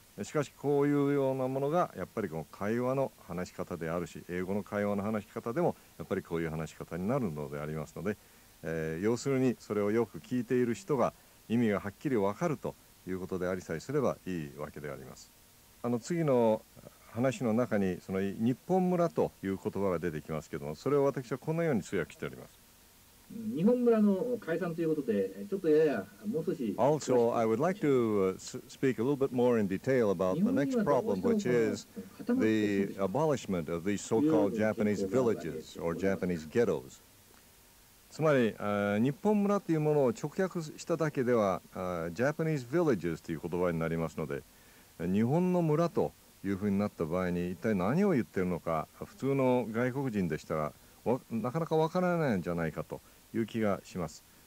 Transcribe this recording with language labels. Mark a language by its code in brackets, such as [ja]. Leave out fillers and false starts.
[ja] しかしこういうようなものがやっぱりこの会話の話し方であるし、英語の会話の話し方でもやっぱりこういう話し方になるのでありますので、要するにそれをよく聞いている人が意味がはっきりわかるということでありさえすればいいわけであります。あの次の話の中にその日本村という言葉が出てきますけども、それを私はこのように通訳しております。日本村の解散ということで、ちょっとややもう少し [en] Also, I would like to speak a little bit more in detail about the next problem, which is the abolishment of these so-called Japanese villages or Japanese ghettos. [ja] つまり、日本村というものを直訳しただけでは、 [en] Japanese villages [ja] という言葉になりますので、日本の村というふうになった場合に一体何を言ってるのか、普通の外国人でしたらなかなかわからないんじゃないかという気がします。